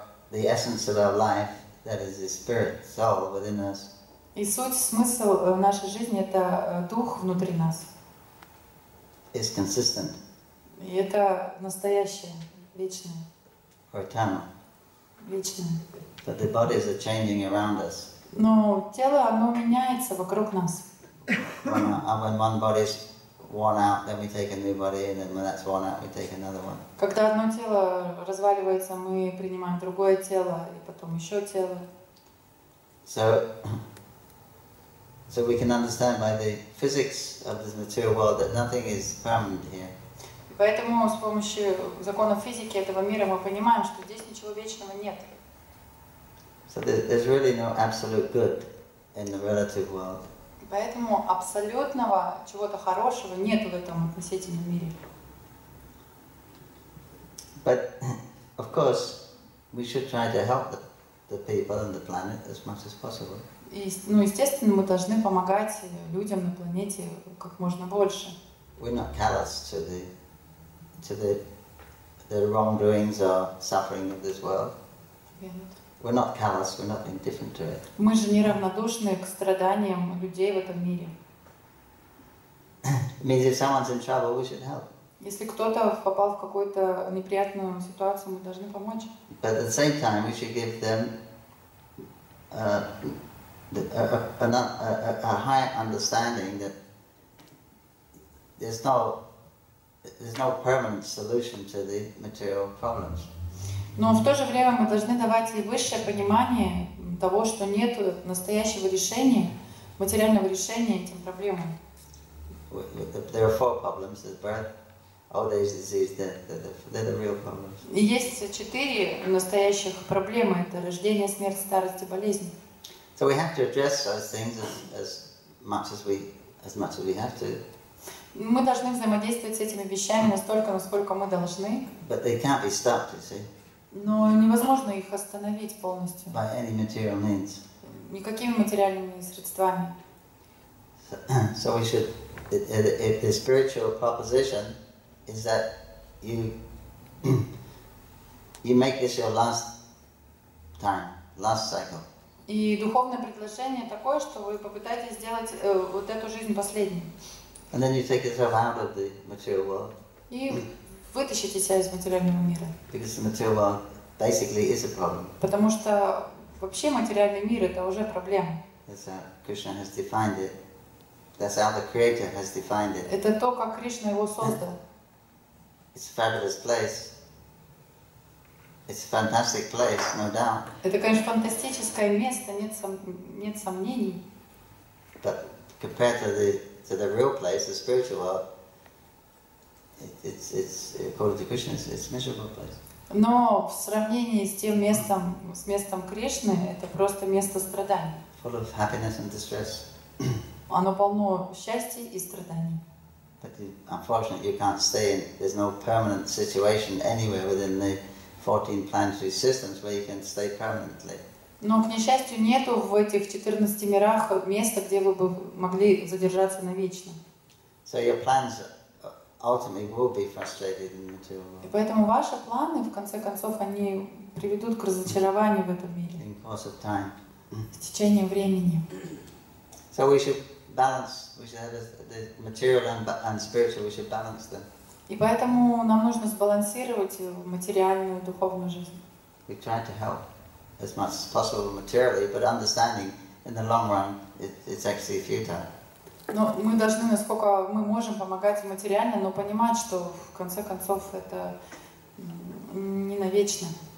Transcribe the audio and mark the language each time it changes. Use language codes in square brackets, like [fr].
[en] The essence of our life, that is the spirit, soul within us. [ru] И суть, смысл нашей жизни — это дух внутри нас. [en] Is consistent. [ru] И это настоящее, вечное. [en] Or eternal. [ru] Вечное. [en] But the bodies are changing around us. [ru] Но тело, оно меняется вокруг нас. [en] When one body is worn out, then we take a new body, and then when that's worn out, we take another one. [ru] Когда одно тело разваливается, мы принимаем другое тело, и потом еще тело. [en] So we can understand by the physics of this material world that nothing is permanent here. [ru] Поэтому с помощью законов физики этого мира мы понимаем, что здесь ничего вечного нет. [en] So there's really no absolute good in the relative world. [ru] Поэтому абсолютного чего-то хорошего нет в этом относительном мире. [en] But of course, we should try to help the people and the planet as much as possible. [ru] И, ну, естественно, мы должны помогать людям на планете как можно больше. [en] We're not callous to the wrongdoings or suffering of this world. We're not callous, we're not indifferent to it. [ru] Мы же не равнодушны к страданиям людей в этом мире. [en] It means if someone's in trouble, we should help. [ru] Если кто-то попал в какую-то неприятную ситуацию, мы должны помочь. [en] But at the same time, we should give them a higher understanding that there's no there's no permanent solution to the material problems. [ru] Но в то же время мы должны давать ей высшее понимание того, что нет настоящего решения, материального решения этим проблемам. [en] There are four problems: the birth, old age, disease, death. They're the real problems. [ru] И есть четыре настоящих проблемы: это рождение, смерть, старость и болезнь. [en] So we have to address those things as much as we have to. [ru] Мы должны взаимодействовать с этими вещами настолько, насколько мы должны. [en] But they can't be stopped, you see. [ru] Но невозможно их остановить полностью. [en] By any material means. [ru] Никакими материальными средствами. [en] So we should. If the spiritual proposition is that you make this your last time, last cycle. [ru] И духовное предложение такое, что вы попытаетесь сделать вот эту жизнь последней. [en] And then you take yourself out of the material world. [ru] И вытащите себя из материального мира. [en] Because the material world basically is a problem. [ru] Потому что вообще материальный мир — это уже проблема. [en] That's how Krishna has defined it. That's how the Creator has defined it. [ru] Это то, как Кришна его создал. [en] It's a fabulous place. It's a fantastic place, no doubt. [ru] Это, конечно, фантастическое место, нет сомнений. [en] But compared to the real place, the spiritual world, it's according to Krishna, it's a miserable place. [ru] Но в сравнении с тем местом, с местом Кришны, это просто место страданий. [en] Full of happiness and distress. [ru] Оно полно счастья и страданий. [en] But unfortunately, you can't stay in. There's no permanent situation anywhere within the 14 planetary systems where you can stay permanently. [ru] Но, к несчастью, нету в этих 14 мирах места, где вы бы могли задержаться навечно. [en] So your plans ultimately will be frustrated in the material world. [ru] И поэтому ваши планы, в конце концов, они приведут к разочарованию в этом мире. [en] In course of time. [ru] В течение времени. [en] So we should balance. We should have the material and spiritual. We should balance them. [ru] И поэтому нам нужно сбалансировать материальную и духовную жизнь. [en] We try to help as much as possible materially, but understanding in the long run it's actually futile. [ru] Но мы должны, насколько мы можем, помогать материально, но понимать, что в конце концов это не навечно.